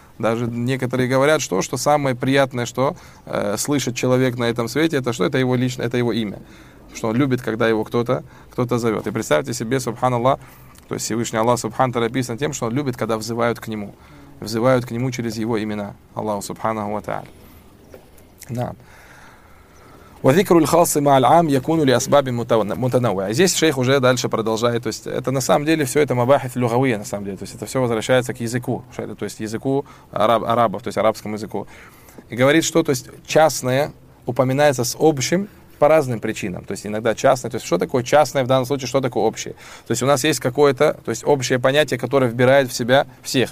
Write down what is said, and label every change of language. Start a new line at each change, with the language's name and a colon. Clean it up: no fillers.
Russian: Даже некоторые говорят, что самое приятное, что слышит человек на этом свете, это что? Это его личное, это его имя. Что он любит, когда его кто-то зовет. И представьте себе, субханаллах, то есть, Всевышний Аллах Субхан Тааля описан тем, что он любит, когда взывают к нему. Взывают к нему через его имена. Аллаху Субханаху ва Тааля. Нам.
Arabic: وذكر الخاص مع العام يكون لأسباب متنوعة.
Russian: Здесь шейх уже дальше продолжает, то есть это на самом деле все это мабахит лугавия на самом деле, то есть это все возвращается к языку, то есть языку арабов, то есть арабскому языку. И говорит, что то есть частное упоминается с общим, по разным причинам. То есть иногда частное. То есть что такое частное в данном случае, что такое общее? То есть у нас есть какое-то, то есть общее понятие, которое вбирает в себя всех.